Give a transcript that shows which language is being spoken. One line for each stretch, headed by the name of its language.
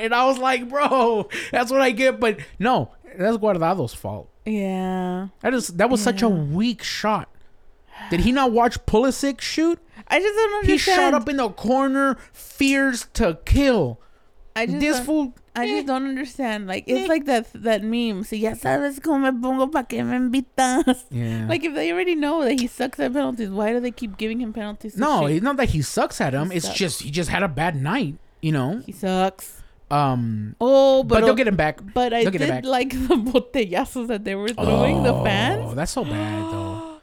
English: And I was like, bro, that's what I get. But no, that's Guardado's fault. Yeah. That was such a weak shot. Did he not watch Pulisic shoot? I just don't understand. He shot up in the corner, fears to kill. I just don't understand. Like, it's like that meme.
Spanish: Si ya sabes cómo me pongo pa que me invitas.
English: Yeah. Like, if they already know that he sucks at penalties, why do they keep giving him penalties? No, it's not that he sucks at them. It's just he just had a bad night, you know? He sucks. But they'll get him back. But I did like the botellazos that they were throwing the fans. Oh, that's so bad, though.